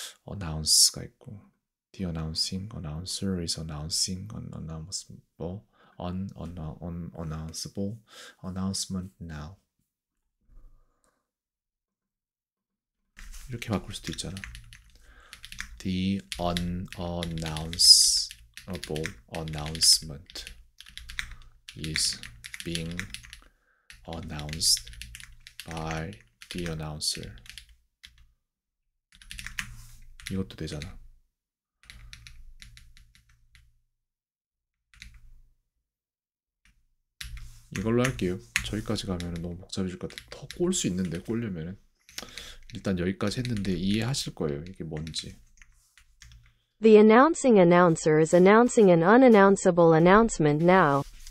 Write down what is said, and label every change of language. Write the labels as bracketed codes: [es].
[en] announce가 있고, the announcing, announcer is announcing, unannounceable, unannounceable, announcement now. [ko] 이렇게 바꿀 수도 있잖아. [en] The unannounceable announcement is being announced by the announcer. [ko] 이것도 되잖아. 이걸로 할게요. 저기까지 가면 너무 복잡해질 것 같아. 더꼴수 있는데, 꼴려면은. 일단 여기까지 했는데 이해하실 거예요. 이게 뭔지. [en] The announcing announcer is announcing an unannounceable announcement now.